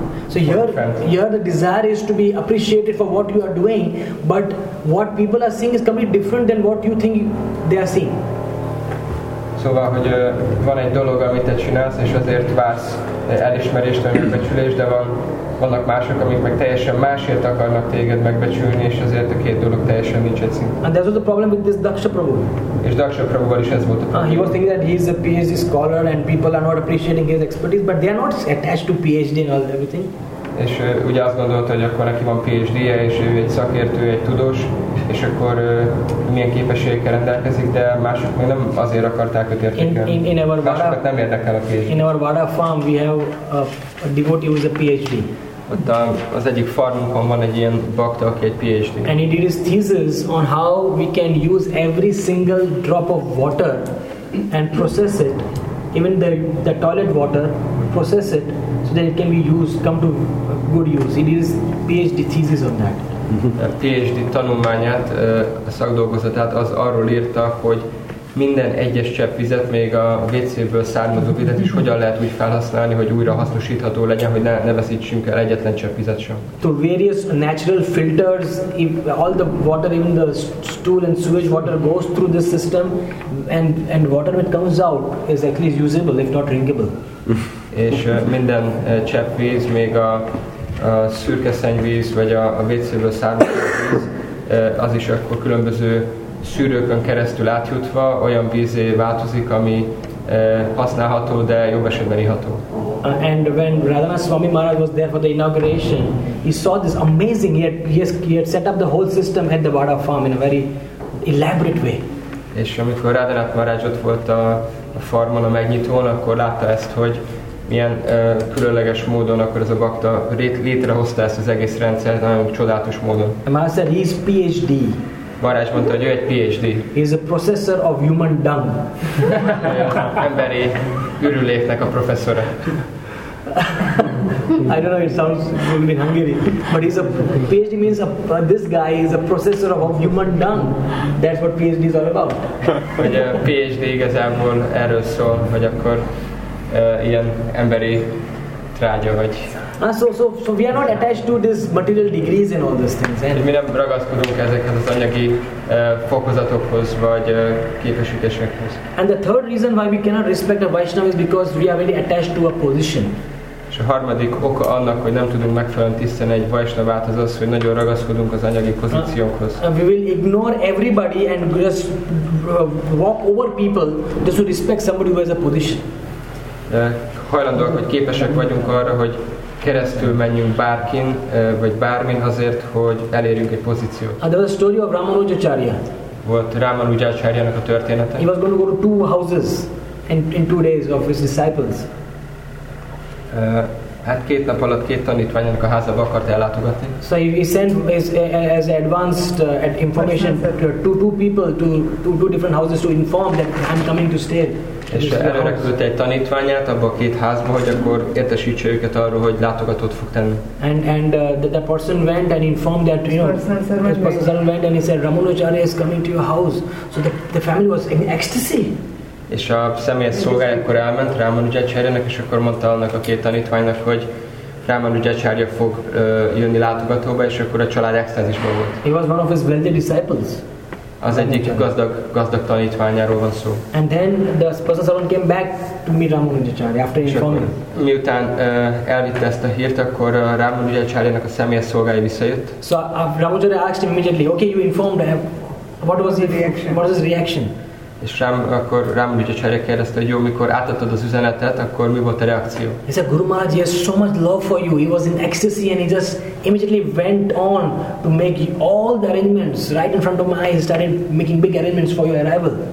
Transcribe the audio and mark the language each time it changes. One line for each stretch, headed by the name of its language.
English: So here the desire is to be appreciated for what you are doing, but what people are seeing is completely different than what you think they are seeing.
Hungarian: Szóval, hogy van egy dolog, amit te csinálsz, és azért vársz elismerést, vagy megbecsülést, de vannak mások, amik meg teljesen másért akarnak téged megbecsülni, és azért a két dolog teljesen nincs egy szint.
English: And that was the problem with this Daksha Prabhu.
Hungarian: És Daksha Prabhuval is ez volt a
English: problem. He was thinking that he is a PhD scholar and people are not appreciating his expertise, but they are not attached to PhD and all everything.
Hungarian: És ugye azt gondolta, hogy akkor neki van PhD-je, és ő egy szakértő, egy tudós, és akkor milyen képességekkel rendelkezik, de mások még nem azért akarták őt értékelni. Másokat nem érdekel a PhD.
English: In our Vada farm we have a devotee who is a PhD.
Hungarian: Ott az egyik farmunkon van egy ilyen bakta, aki egy PhD.
English: And he did his thesis on how we can use every single drop of water and process it, even the toilet water, process it, so that it can be used, come to good use. It is PhD thesis on that.
Hungarian: A PhD tanulmányát, a szakdolgozatát az arról írta, hogy minden egyes csepp vizet, még a WC-ből származó vizet is hogyan lehet úgy felhasználni, hogy újra hasznosítható legyen, hogy ne veszítsünk el egyetlen csepp vizet sem.
English: To various natural filters, if all the water, even the stool and sewage water goes through this system, and water that comes out is at least usable, if not drinkable.
Hungarian: És minden csepp víz, még a szürke szennyvíz, vagy a WC-ből származó víz, az is akkor különböző szűrőkön keresztül átjutva olyan vízé változik, ami használható, de jobb esetben iható.
English: And when Radhana Swami Maharaj was there for the inauguration, he saw this amazing, he had set up the whole system at the Vada farm in a very elaborate way.
Hungarian: És amikor Radhana Maharaj ott volt a farmon, a megnyitón, akkor látta ezt, hogy milyen különleges módon akkor ez a bakta létrehozta ezt az egész rendszert, nagyon csodálatos módon.
English: And Maharaj said, he is PhD.
Hungarian: Maharaj mondta, hogy ő egy PhD.
English: He is a processor of human dung.
Hungarian: Emberi ürüléknek a professzora.
English: I don't know, it sounds good in Hungary. But he's a PhD means this guy is a processor of human dung. That's what PhD is all about.
Hungarian: Hogy a PhD igazából erről szól, hogy akkor ilyen emberi trágya vagy.
English: So we are not attached to this material degrees and all those things.
Hungarian: Hogy mi nem ragaszkodunk ezekhez az anyagi fokozatokhoz vagy képesítésekhoz.
English: And the third reason why we cannot respect a Vaishnava is because we are very attached to a position.
Hungarian: És a harmadik oka annak, hogy nem tudunk megfelelően tisztelni egy Vaishnavát, az az, hogy nagyon ragaszkodunk az anyagi pozíciókhoz.
English: We will ignore everybody and just walk over people just to respect somebody who has a position.
Hungarian: Hajlandóak, hogy képesek vagyunk arra, hogy keresztül menjünk bárkin, vagy bármin azért, hogy elérjünk egy pozíciót.
English: And there was a story of Ramanujacharya.
Hungarian: Volt Ramanujacharyának a története.
English: He was going to go to two houses in two days of his disciples.
Hungarian: Hát két nap alatt két tanítványának a házába akart ellátogatni.
English: So he sent as advanced information to two people to two different houses to inform that I'm coming to stay. És előre küldte egy tanítványát abba a két házba, hogy akkor értesítse őket arról, hogy látogatót fog tenni. And the person went and informed that, you know, his personal servant went and he said, Ramanujacharya is coming to your house. So the family was in ecstasy.
Hungarian: És a személyes szolgája akkor elment Ramanujacharyának, és akkor mondta annak a két tanítványnak, hogy Ramanujacharya fog jönni látogatóba, és akkor a család extázisban volt.
English: He was one of his wealthy disciples.
Hungarian: Az egyik gazdag tanítványáról van szó.
English: And then the personal servant came back to meet Ramanujacharya after informing.
Hungarian: Miután elvitte ezt a hírt, akkor Ramanujacharyának a személyes szolgája visszajött.
English: So Ramanujacharya asked him immediately, okay, you informed him. What was his reaction? What was his reaction?
Hungarian: És akkor Ramanujacharya kérdezte, hogy jó, mikor átadtad az üzenetet, akkor mi volt a reakció?
English: He said, Guru Maharaj, he has so much love for you. He was in ecstasy and he just immediately went on to make all the arrangements right in front of my eyes. He started making big arrangements for your arrival.